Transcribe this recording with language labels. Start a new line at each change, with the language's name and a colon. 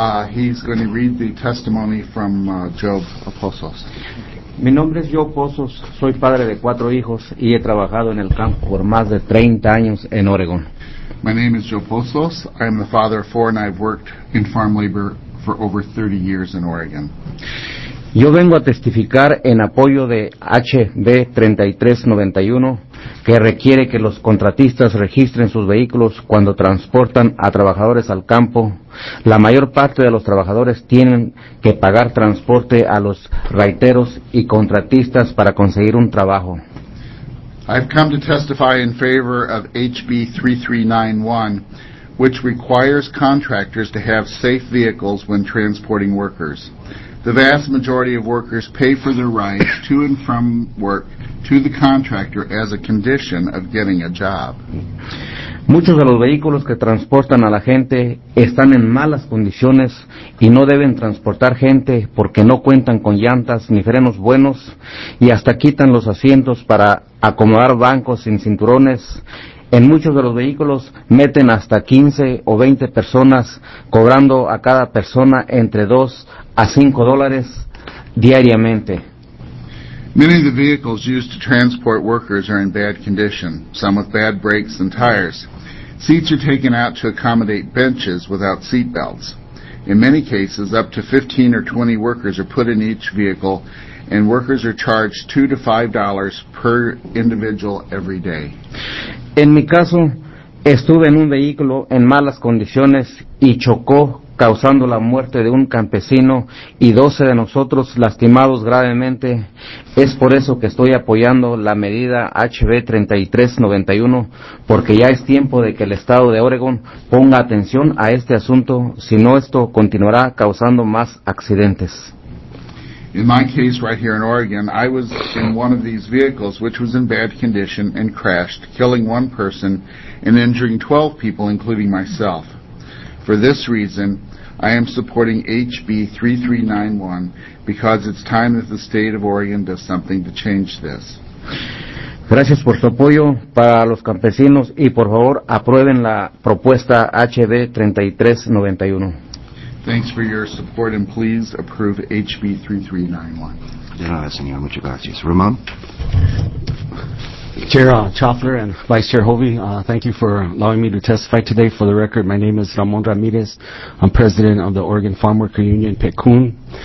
English: He's going to read the testimony from Joe Pozos.
Spanish: Mi nombre es Joe Pozos. Soy padre de cuatro hijos y he trabajado en el campo por más de 30 años en Oregon.
English: My name is Joe Pozos. I am the father of four and I've worked in farm labor for over 30 years in Oregon.
Spanish: Yo vengo a testificar en apoyo de HB 3391, que requiere que los contratistas registren sus vehículos cuando transportan a trabajadores al campo. La mayor parte de los trabajadores tienen que pagar transporte a los raiteros y contratistas para conseguir un trabajo.
English: I've come to testify in favor of HB 3391, which requires contractors to have safe vehicles when transporting workers. The vast majority of workers pay for their rides to and from work to the contractor as a condition of getting a job.
Spanish: Muchos de los vehículos que transportan a la gente están en malas condiciones y no deben transportar gente porque no cuentan con llantas ni frenos buenos y hasta quitan los asientos para acomodar bancos sin cinturones. En muchos de los vehículos meten hasta 15 o 20 personas, cobrando a cada persona entre $2 a $5 diariamente.
English: Many of the vehicles used to transport workers are in bad condition, some with bad brakes and tires. Seats are taken out to accommodate benches without seat belts. In many cases, up to 15 or 20 workers are put in each vehicle, and workers are charged $2 to $5 per individual every day.
Spanish: En mi caso, estuve en un vehículo en malas condiciones y chocó, causando la muerte de un campesino y 12 de nosotros lastimados gravemente. Es por eso que estoy apoyando la medida HB 3391, porque ya es tiempo de que el Estado de Oregon ponga atención a este asunto, si no esto continuará causando más accidentes.
English: In my case right here in Oregon, I was in one of these vehicles which was in bad condition and crashed, killing one person and injuring 12 people, including myself. For this reason, I am supporting HB 3391 because it's time that the state of Oregon does something to change this.
Spanish: Gracias por su apoyo para los campesinos y por favor aprueben la propuesta HB 3391.
English: Thanks for your support, and please approve HB 3391.
Spanish: Gracias, señor. Muchas gracias. Ramon?
English: Chair Choffler and Vice Chair Hovey, thank you for allowing me to testify today. For the record, my name is Ramon Ramirez. I'm president of the Oregon Farm Worker Union, PECUN.